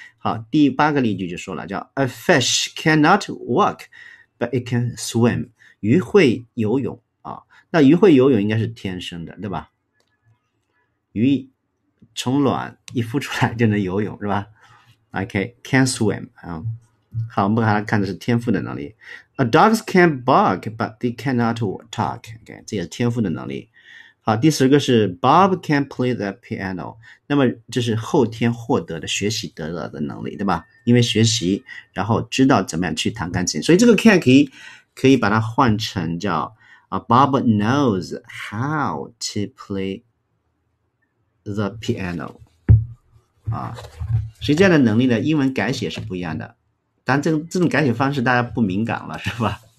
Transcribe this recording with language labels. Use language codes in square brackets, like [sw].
[zh] 好，第八个例句就说了，叫 [en] A fish cannot walk, but it can swim. [zh] 鱼会游泳啊，那鱼会游泳应该是天生的，对吧？鱼从卵一孵出来就能游泳，是吧 ？ [en] OK, can swim [zh] 啊。好，我们把它看的是天赋的能力。 [en] A dogs can bark, but they cannot talk. [zh] OK, 这也是天赋的能力。好，第十个是 [en] Bob can play the piano， [zh] 那么这是后天获得的学习得到的能力，对吧？因为学习然后知道怎么样去弹钢琴，所以这个 can 可以把它换成叫、 [en] Bob knows how to play the piano、 [zh] 实际上的能力呢，英文改写是不一样的，但这种改写方式大家不敏感了，是吧？